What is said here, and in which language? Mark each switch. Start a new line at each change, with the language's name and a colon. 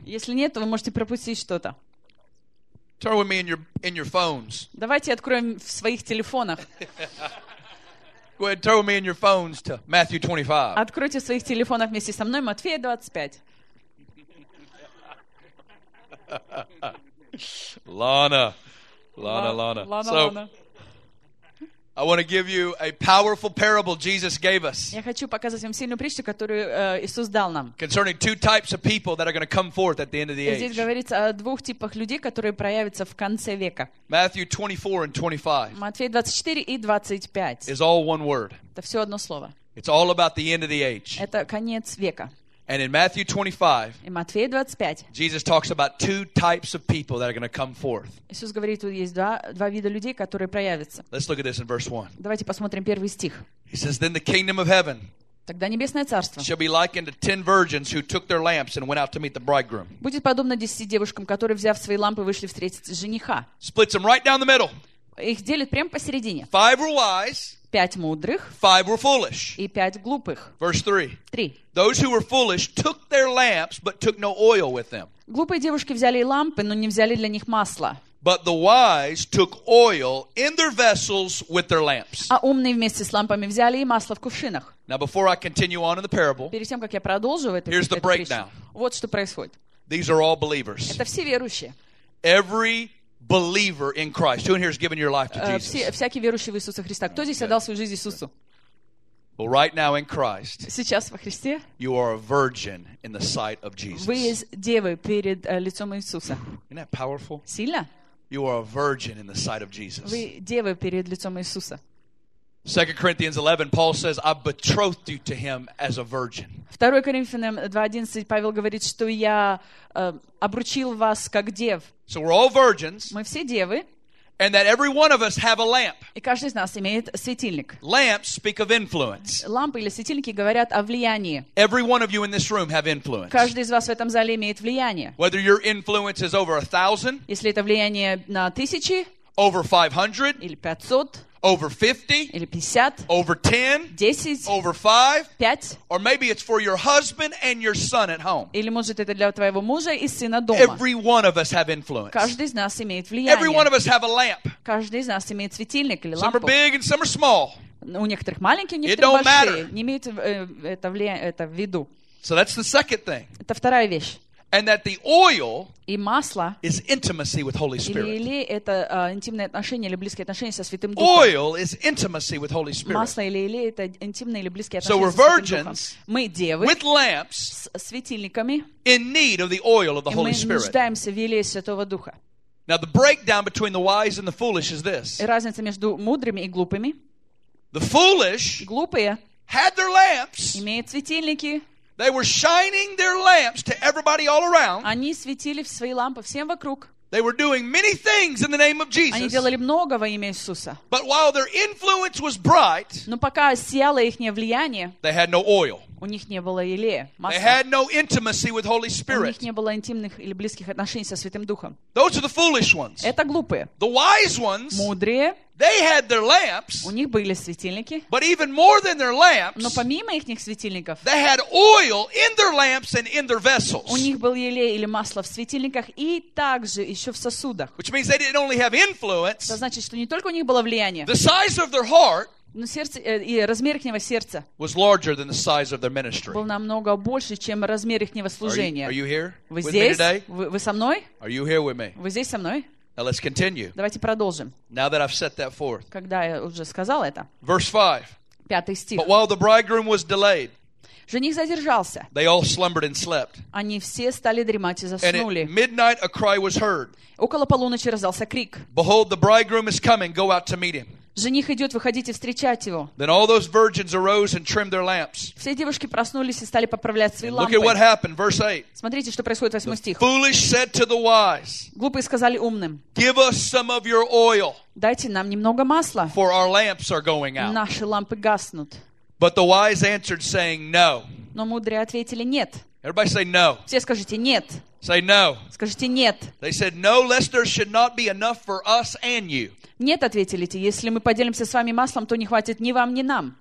Russian: Если нет, то вы можете пропустить что-то.
English: Turn with me in your phones.
Russian: Давайте откроем в своих телефонах.
English: Go ahead, turn with me in your phones to Matthew 25.
Russian: Откройте своих телефонов вместе со мной, Матфея 25.
English: Lana. So, Lana. I want to give you a powerful parable Jesus gave us.
Russian: Я хочу показать вам сильную притчу, которую Иисус дал нам.
English: Concerning two types of people that are going to come forth at the end of the age.
Russian: Здесь говорится о двух типах людей, которые проявятся в конце века.
English: Matthew 24 and 25.
Russian: Матфея 24 и 25.
English: Is all one word.
Russian: Это все одно слово.
English: It's all about the end of the age.
Russian: Это конец века.
English: And in Matthew 25, in
Russian: Матфея 25,
English: Jesus talks about two types of people that are going to come forth.
Russian: Иисус говорит, тут есть два вида людей, которые проявятся.
English: Let's look at this in verse 1.
Russian: Давайте посмотрим первый стих.
English: He says, "Then the kingdom of heaven."
Russian: Тогда небесное царство
English: shall be likened to 10 virgins who took their lamps and went out to meet the bridegroom.
Russian: Будет подобно 10 девушкам, которые, взяв свои лампы, вышли встретить жениха.
English: Splits them right down the middle.
Russian: Их делят прямо посередине.
English: Five were wise.
Russian: Пять мудрых.
English: Five were foolish.
Russian: И пять глупых.
English: Verse 3.
Russian: Три.
English: Those who were foolish took their lamps, but took no oil with them.
Russian: Глупые девушки взяли лампы, но не взяли для них масла.
English: But the wise took oil in their vessels with their lamps.
Russian: А умные вместе с лампами взяли и масло в кувшинах.
English: Now before I continue on in the parable,
Russian: перед тем, как я продолжу эту
English: here's the breakdown.
Russian: Вот что происходит.
English: These are all believers.
Russian: Это все верующие.
English: Every believer in Christ. Who in here has given your life to Jesus?
Russian: Всякий верующий в Иисуса Христа. Кто здесь отдал свою жизнь Иисусу?
English: Well, right now in Christ,
Russian: сейчас во Христе,
English: you are a virgin in the sight of Jesus.
Russian: Вы девы перед лицом Иисуса.
English: Isn't that powerful?
Russian: Сильно?
English: You are a virgin in the sight of Jesus.
Russian: Вы девы перед лицом Иисуса.
English: 2 Corinthians 11, Paul says, I betrothed you to him as a virgin.
Russian: 2 Коринфянам 2:11 Павел говорит, что я обручил вас как дев.
English: So we're all virgins.
Russian: Мы все девы.
English: And that every one of us have a lamp.
Russian: И каждый из нас имеет светильник.
English: Lamps speak of influence.
Russian: Лампы или светильники говорят о влиянии.
English: Every one of you in this room have influence.
Russian: Каждый из вас в этом зале имеет влияние.
English: Whether your influence is over 1,000.
Russian: Если это влияние на тысячи.
English: Over 500.
Russian: Или 500.
English: Over 50?
Russian: Или 50?
English: Over 10?
Russian: 10?
English: Over 5?
Russian: 5?
English: Or maybe it's for your husband and your son at home.
Russian: Или может это для твоего мужа и сына дома.
English: Every one of us have influence.
Russian: Каждый из нас имеет влияние.
English: Every one of us have a lamp.
Russian: Каждый из нас имеет светильник или лампу.
English: Some are big and some are small.
Russian: У некоторых маленькие, у некоторых большие. Не имеет это в виду.
English: So that's the second thing.
Russian: Это вторая вещь.
English: And that the oil
Russian: и масло
English: is intimacy with Holy Spirit.
Russian: Или это интимные отношения или близкие отношения со Святым Духом.
English: Oil is intimacy with Holy Spirit.
Russian: Масло или или это интимные или близкие отношения.
English: So we're virgins,
Russian: мы девы,
English: with lamps,
Russian: с светильниками,
English: in need of the oil of the Holy Spirit.
Russian: Мы нуждаемся в елее Святого Духа.
English: Now the breakdown between the wise and the foolish is this.
Russian: Разница между мудрыми и глупыми.
English: The foolish,
Russian: глупые,
English: had their lamps,
Russian: имеют светильники.
English: They were shining their lamps to everybody all around.
Russian: Они светили в свои лампы всем вокруг.
English: They were doing many things in the name of Jesus.
Russian: Они делали много во имя Иисуса.
English: But while their influence was bright,
Russian: но пока сияло ихнее влияние,
English: they had no oil.
Russian: У них не было елея, масла.
English: They had no intimacy with Holy Spirit.
Russian: У них не было интимных или близких отношений со Святым Духом.
English: Those are the foolish ones.
Russian: Это глупые.
English: The wise ones,
Russian: мудрые,
English: they had their lamps.
Russian: У них были светильники.
English: But even more than their lamps,
Russian: но помимо ихних светильников,
English: they had oil in their lamps and in their vessels.
Russian: У них был елей или масло в светильниках и также еще в сосудах.
English: Which means they didn't only have influence.
Russian: Это значит, что не только у них было влияние.
English: The size of their heart,
Russian: но сердце, и размер ихнего сердца,
English: was larger than the size of their ministry.
Russian: Был намного больше, чем размер ихнего служения.
English: Are you here?
Russian: Вы здесь?
English: With me today?
Russian: Вы со мной?
English: Are you here with me?
Russian: Вы здесь со мной?
English: Now let's continue.
Russian: Давайте продолжим.
English: Now that I've set that forth.
Russian: Когда я уже сказал это.
English: Verse 5.
Russian: Пятый стих.
English: But while the bridegroom was delayed,
Russian: жених задержался.
English: They all slumbered and slept.
Russian: Они все стали дремать и заснули.
English: And at midnight a cry was heard.
Russian: Около полуночи раздался крик.
English: Behold, the bridegroom is coming. Go out to meet him.
Russian: Жених идет, выходите встречать его.
English: Then all those virgins arose and trimmed their lamps.
Russian: Все девушки проснулись и стали поправлять свои лампы.
English: Look at what happened, verse 8.
Russian: Смотрите, что происходит, восьмой стих.
English: The foolish said to the wise.
Russian: Глупые сказали умным.
English: Give us some of your oil.
Russian: Дайте нам немного масла.
English: For our lamps are going out.
Russian: Наши лампы гаснут.
English: But the wise answered, saying, No.
Russian: Но мудрые ответили нет.
English: Everybody say no.
Russian: Все скажите нет.
English: Say no.
Russian: Скажите нет.
English: They said no, lest there should not be enough for us and you.
Russian: Нет, ответили те, если мы поделимся с вами маслом, то не хватит ни вам, ни нам.